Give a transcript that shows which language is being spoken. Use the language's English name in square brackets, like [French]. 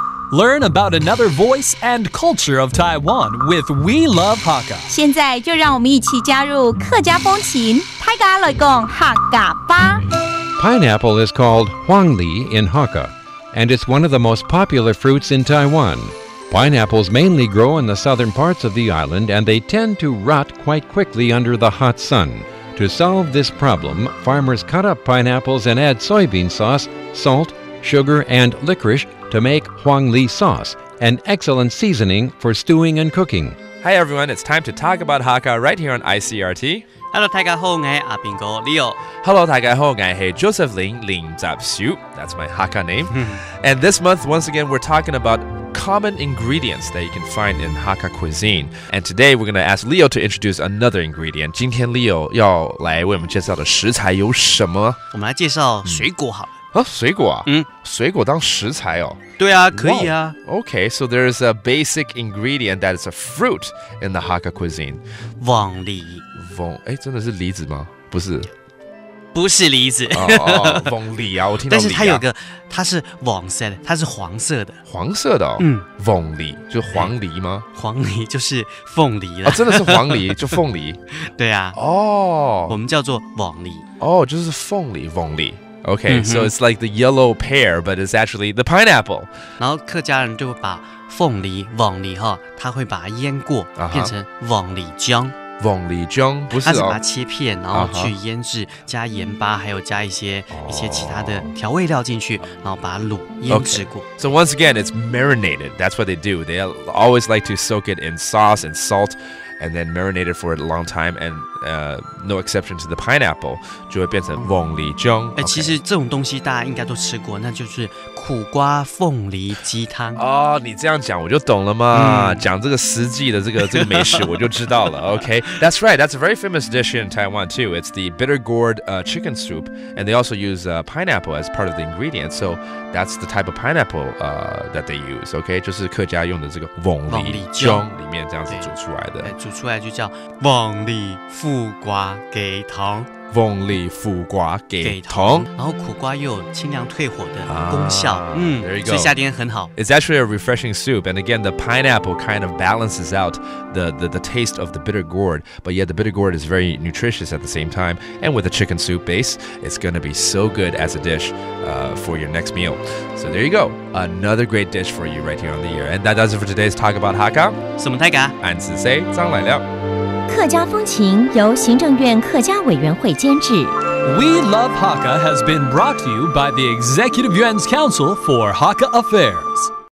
[English] Learn about another voice and culture of Taiwan with We Love Hakka. [Chinese] 现在就让我们一起加入客家风情，泰嘎来讲客家吧。 [English] Pineapple is called huangli in Hakka, and it's one of the most popular fruits in Taiwan. Pineapples mainly grow in the southern parts of the island, and they tend to rot quite quickly under the hot sun. To solve this problem, farmers cut up pineapples and add soybean sauce, salt, sugar, and licorice to make huangli sauce, an excellent seasoning for stewing and cooking. Hi everyone, it's time to talk about Hakka right here on ICRT. Hello, [Chinese] 大家好，我是阿平哥 Leo. [English] Hello, [Chinese] 大家好，我是 [English] Joseph Lin, Lin Zap Xiu. That's my Hakka name. And this month, once again, we're talking about common ingredients that you can find in Hakka cuisine. And today, we're going to ask Leo to introduce another ingredient. [Chinese] 今天 Leo 要来为我们介绍的食材有什么？我们来介绍水果好了。水果啊？水果当食材哦？对啊，可以啊。 [English] Okay, so there is a basic ingredient that is a fruit in the Hakka cuisine. [Chinese] 旺梨。哎，真的是梨子吗？不是，不是梨子。哦，翁梨啊，我听到。但是它有个，它是黄色的，它是黄色的，黄色的哦。嗯，翁梨就是黄梨吗？黄梨就是凤梨了。哦，真的是黄梨，就凤梨。对啊。哦，我们叫做翁梨。哦，就是凤梨，翁梨。 [English] Okay, so it's like the yellow pear, but it's actually the pineapple. [Chinese] 然后客家人就会把凤梨、翁梨哈，他会把它腌过，变成翁梨浆。凤梨浆不是、哦，它是把它切片，然后去腌制，加盐巴，还有加一些其他的调味料进去，然后把它卤腌制过。 [English] Okay. So once again, it's marinated. That's what they do. They always like to soak it in sauce and salt, and then marinate it for a long time. And no exception to the pineapple, [Chinese] 就会变成凤梨浆。哎、okay. ，其实这种东西大家应该都吃过，那就是苦瓜凤梨鸡汤。哦，你这样讲我就懂了嘛。讲这个实际的这个美食我就知道了。 [English] Okay, that's right. That's a very famous dish in Taiwan too. It's the bitter gourd chicken soup, and they also use pineapple as part of the ingredient. So that's the type of pineapple that they use. [Chinese] Okay, 就是客家用的这个凤梨浆里面这样子煮出来的。煮出来就叫凤梨腐瓜鸡汤。凤梨腐瓜给糖，然后苦瓜又有清凉退火的功效， [English] there you go. [Chinese] 所以夏天很好。 [English] It's actually a refreshing soup, and again, the pineapple kind of balances out the taste of the bitter gourd, but yet the bitter gourd is very nutritious at the same time, and with a chicken soup base, it's going to be so good as a dish for your next meal. So there you go, another great dish for you right here on the air. And that does it for today's Talk About Hakka. [Chinese] 什么泰嘎？俺是谁？张来了。客家风情由行政院客家委员会监制。 [English] We Love Hakka has been brought to you by the Executive Yuan's Council for Hakka Affairs.